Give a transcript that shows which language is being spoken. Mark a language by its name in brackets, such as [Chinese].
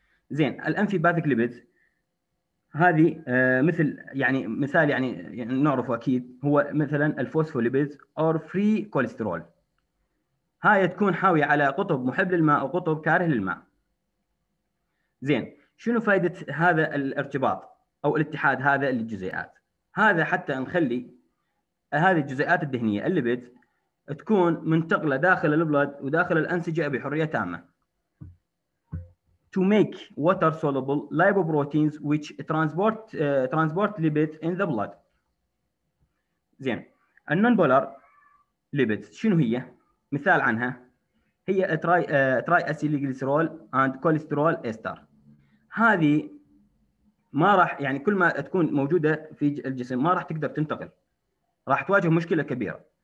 [Arabic] زين، الأنفيباثيك ليبيدز هذه مثل يعني مثال يعني نعرفه أكيد هو مثلا الفوسفوليبيدز أو فري كوليسترول، هاي تكون حاوية على قطب محب للماء وقطب كاره للماء. زين، شنو فائدة هذا الارتباط أو الاتحاد هذا للجزيئات؟ هذا حتى نخلي هذه الجزيئات الدهنية الليبيد تكون منتقلة داخل البلد وداخل الأنسجة بحرية تامة. [English] To make water soluble lipoproteins which transport lipid in the blood. [Arabic] زين، النونبولار ليبيد شنو هي؟ مثال عنها هي تراي أسيليغليسرول and كوليسترول إستر. هذه ما راح يعني كل ما تكون موجودة في الجسم ما راح تقدر تنتقل، راح تواجه مشكلة كبيرة.